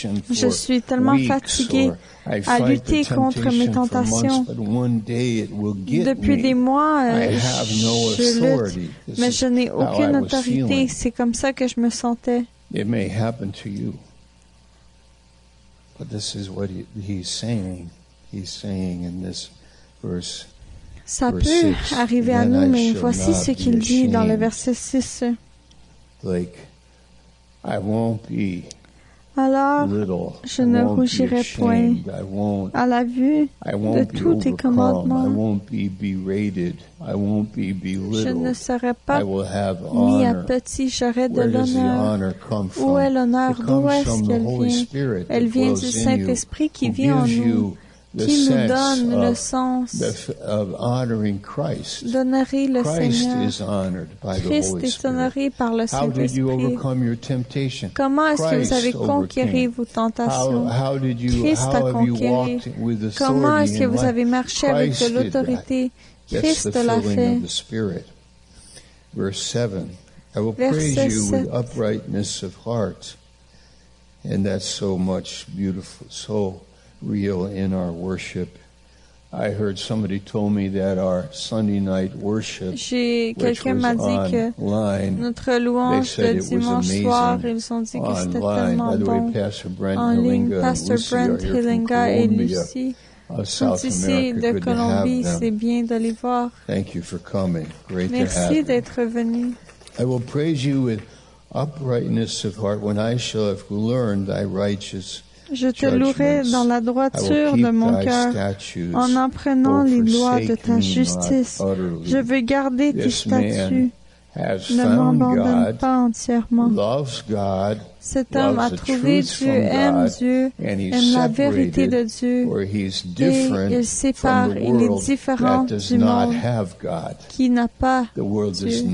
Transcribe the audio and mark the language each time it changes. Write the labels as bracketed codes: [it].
[fr] Je suis tellement fatigué à lutter contre mes tentations. Depuis des mois, je lutte, mais je n'ai aucune autorité. C'est comme ça que je me sentais. [en] It may happen to you. But this is what he's saying. He's saying in this verse. [fr] Ça peut arriver à nous, mais voici ce qu'il dit dans le verset 6. [en] Like, I won't be [fr] alors, je ne rougirai point à la vue de tous tes commandements. [en] I won't be berated. I won't be belittled. [fr] Je ne serai pas mis à petit. J'aurai de l'honneur. Où est l'honneur? D'où est-ce qu'elle vient? Elle vient du Saint-Esprit qui vit en nous. Qui nous donne le sens d'honorer le Seigneur. Christ est honoré par le Saint-Esprit. Comment est-ce que vous avez conquéris vos tentations? Christ a conquéri. Comment est-ce que vous avez marché avec de l'autorité? Christ l'a fait. Verset 7. [en] I will praise you with uprightness of heart. And that's so much beautiful. So real in our worship. I heard somebody told me that our Sunday night worship, [fr] quelqu'un m'a dit que online, notre louange de dimanche soir, ils ont dit que c'était tellement bon. En ligne, Pastor Brent Hillinga et Lucie sont ici de Colombie. C'est bien de les voir. [en] Thank you for coming. Great to have you. [fr] Merci d'être venu. [en] I will praise you with uprightness of heart when I shall have learned thy righteous. [fr] Je te louerai dans la droiture de mon cœur en apprenant les lois de ta justice. Je veux garder tes statuts. Ne m'abandonne pas entièrement. Cet homme a trouvé Dieu, aime Dieu, aime la vérité de Dieu et il sépare, il est différent du monde qui n'a pas Dieu.